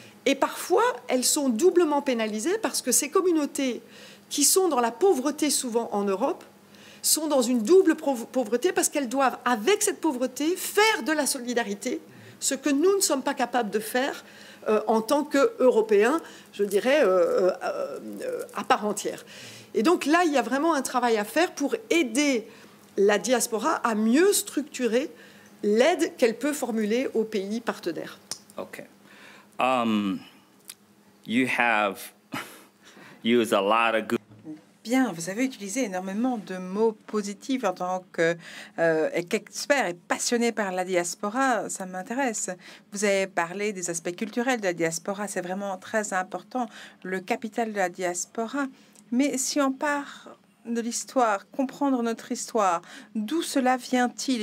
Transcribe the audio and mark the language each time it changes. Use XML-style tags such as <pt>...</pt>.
<fr>Et parfois, elles sont doublement pénalisées parce que ces communautés qui sont dans la pauvreté souvent en Europe sont dans une double pauvreté parce qu'elles doivent, avec cette pauvreté, faire de la solidarité, ce que nous ne sommes pas capables de faire en tant qu'Européens, je dirais, à part entière. Et donc là, il y a vraiment un travail à faire pour aider la diaspora à mieux structurer l'aide qu'elle peut formuler aux pays partenaires.</fr> <en>OK. You have used a lot of good.</en> <fr>Bien, vous avez utilisé énormément de mots positifs en tant qu'expert et passionné par la diaspora. Ça m'intéresse. Vous avez parlé des aspects culturels de la diaspora. C'est vraiment très important, le capital de la diaspora. Mais si on part de l'histoire, comprendre notre histoire, d'où cela vient-il?</fr>